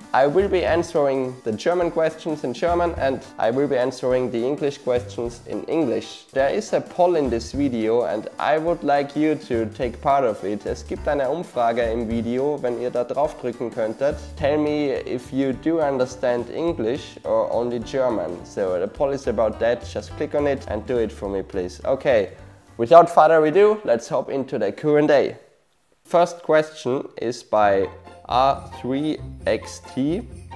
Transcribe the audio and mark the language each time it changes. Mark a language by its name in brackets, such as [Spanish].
[English] I will be answering the German questions in German and I will be answering the English questions in English. There is a poll in this video and I would like you to take part of it. [German] Es gibt eine Umfrage im Video, wenn ihr da drauf drücken könntet. [English] Tell me if you do understand English or only German. So the poll is about that, just click on it and do it for me please. Okay, without further ado, let's hop into the Q&A. First question is by R3XT.